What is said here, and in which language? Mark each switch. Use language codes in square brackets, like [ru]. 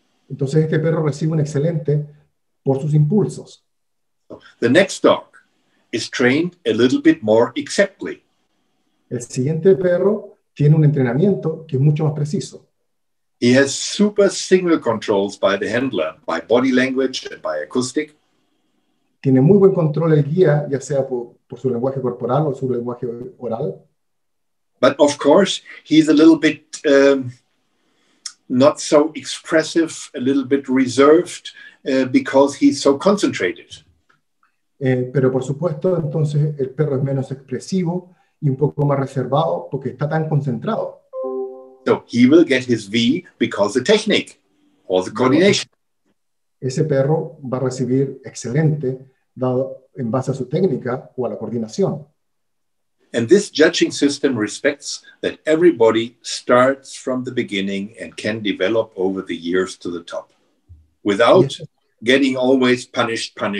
[es] Entonces este perro recibe un excelente por sus impulsos. [en] The next dog is trained a little bit more exactly. [es] El siguiente perro tiene un entrenamiento que es mucho más preciso. [en] He has super signal controls by the handler, by body language and by acoustic. [es] Tiene muy buen control el guía, ya sea por su lenguaje corporal o su lenguaje oral. [en] But of course, he's a little bit not so expressive, a little bit reserved, because he's so concentrated. [es] Pero por supuesto, entonces el perro es menos expresivo y un poco más reservado porque está tan concentrado. [en] So he will get his V because the technique or the coordination. [es] Ese perro va a recibir excelente dado en base a su técnica o a la coordinación. [en] And this judging system respects that everybody starts from the beginning and can develop over the years to the top without getting always punished.